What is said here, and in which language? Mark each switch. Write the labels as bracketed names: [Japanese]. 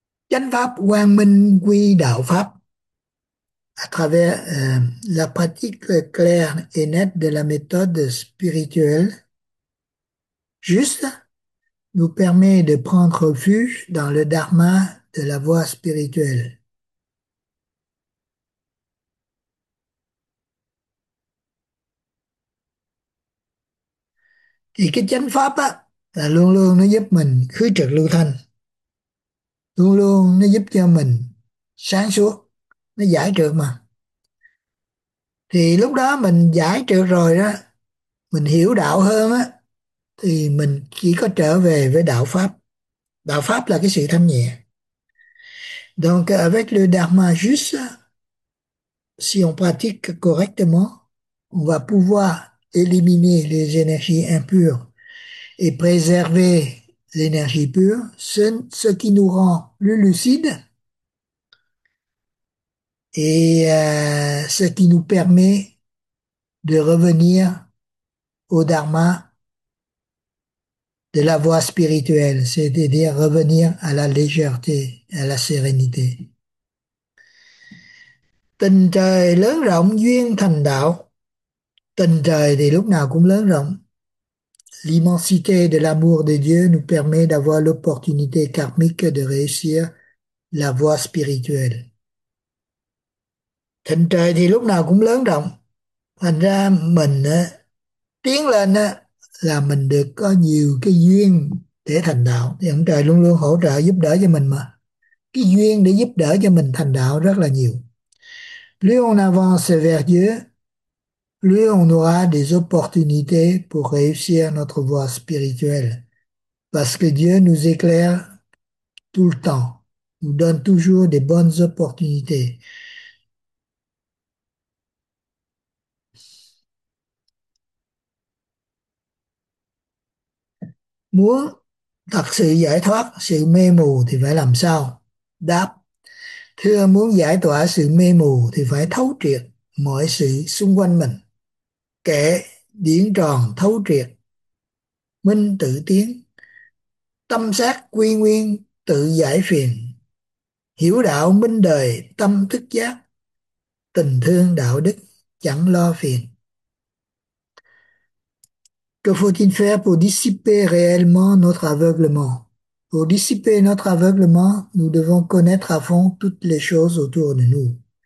[Vietnamese] Chánh pháp quang minh quy đạo pháp. [French] À, la pratique claire et nette de la méthode spirituelle juste nous permet de prendre refuge dans le dharma de la voie spirituelle. [Vietnamese] Thì cái chánh pháp á là luôn luôn nó giúp mình khứ trực lưu thanh, luôn luôn nó giúp cho mình sáng suốt, nó giải trượt mà. Thì lúc đó mình giải trượt rồi đó, mình hiểu đạo hơn á, thì mình chỉ có trở về với đạo pháp. Đạo pháp là cái sự thanh nhẹ. [French] Donc avec le dharma juste, si on pratique correctement, on va pouvoir éliminer les énergies impures et préserver l'énergie pure, ce qui nous rend plus lucides. Et ce qui nous permet de revenir au dharma de la voie spirituelle, c'est-à-dire revenir à la légèreté, à la sérénité. [Vietnamese] Tình trời lớn rộng duyên thành đạo. Tình trời thì lúc nào cũng lớn rộng. [French] L'immensité de l'amour de Dieu nous permet d'avoir l'opportunité karmique de réussir la voie spirituelle. [Vietnamese] Tình trời thì lúc nào cũng lớn rộng, thành ra mình tiến lên là mình được có nhiều cái duyên để thành đạo, thì ông trời luôn luôn hỗ trợ giúp đỡ cho mình, mà cái duyên để giúp đỡ cho mình thành đạo rất là nhiều. [French] Plus on avance vers Dieu, plus on aura des opportunités pour réussir notre voie spirituelle. Parce que Dieu nous éclaire tout le temps, nous donne toujours des bonnes opportunités. [Vietnamese] Muốn thật sự giải thoát sự mê mù thì phải làm sao? Đáp: Thưa, muốn giải tỏa sự mê mù thì phải thấu triệt mọi sự xung quanh mình. Kệ điển tròn thấu triệt, minh tự tiến, tâm giác quy nguyên tự giải phiền, hiểu đạo minh đời tâm thức giác, tình thương đạo đức chẳng lo phiền. [French] Que faut-il faire pour dissiper réellement notre aveuglement? Pour dissiper notre aveuglement, nous devons connaître à fond toutes les choses autour de nous.